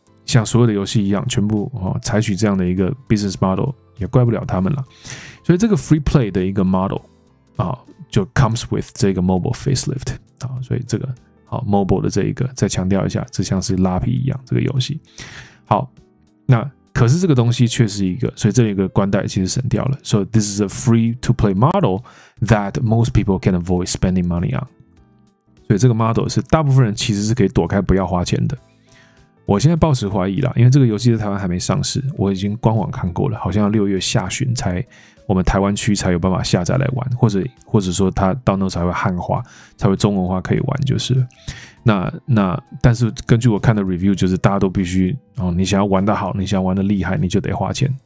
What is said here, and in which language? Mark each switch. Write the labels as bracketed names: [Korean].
[Chinese] 像所有的游戏一样，全部采取这样的一个 business model， 也怪不了他们了。所以这个 free play 的一个 model 啊，就 [English] comes with [Chinese] 这个 mobile facelift 啊，所以这个好 mobile 的这一个再强调一下，这像是拉皮一样这个游戏。好，那可是这个东西却是一个，所以这一个关带其实省掉了。 [English] So this is a free to play model that most people can avoid spending money on。 [Chinese] 所以这个 model 是大部分人其实是可以躲开不要花钱的。我现在抱持怀疑啦，因为这个游戏在台湾还没上市，我已经官网看过了，好像要六月下旬才我们台湾区才有办法下载来玩，或者说它到那才会汉化，才会中文化可以玩，就是那但是根据我看的 review， 就是大家都必须哦，你想要玩得好，你想要玩得厉害，你就得花钱。